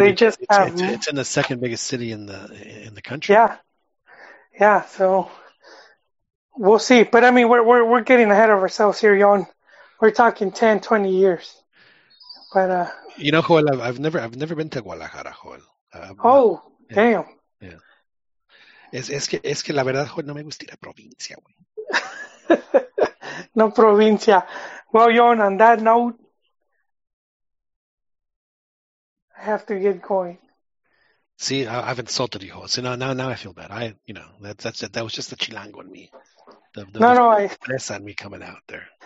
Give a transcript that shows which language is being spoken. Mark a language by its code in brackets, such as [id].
[en] dude, it's in the second biggest city in the country. Yeah. Yeah, so we'll see. But, I mean, we're getting ahead of ourselves here, Yon. We're talking 10, 20 years. But you know, Joel, I've never been to Guadalajara, Joel. Damn. Yeah. [es] Es que la verdad, Joel, no me gusta la provincia, güey. No provincia. [en] Well, Yon, on that note, I have to get going. See, I've insulted you, Joel. See, now I feel bad. That was just the chilango in me. No, press on me coming out there.